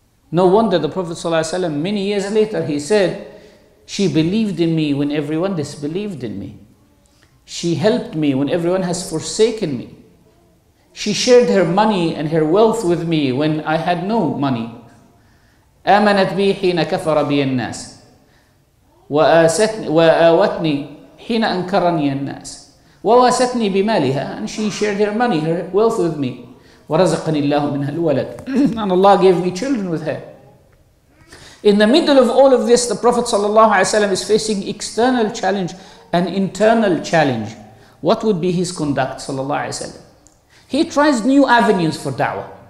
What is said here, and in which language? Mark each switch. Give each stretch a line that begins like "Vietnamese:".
English: No wonder the Prophet sallallahu alayhi wasallam, many years later, he said, "She believed in me when everyone disbelieved in me. She helped me when everyone has forsaken me. She shared her money and her wealth with me when I had no money.
Arabic: آمنت بي حين كفر بي الناس وآوتني حين أنكرني الناس وواستني بمالها."
English: And she shared her money, her wealth with me.
Arabic: ورزقني الله منها الولد.
English: And Allah gave me children with her. In the middle of all of this, the Prophet sallallahu alaihi wasallam is facing external challenge, an internal challenge. What would be his conduct, sallallahu alaihi wasallam? He tries new avenues for da'wah.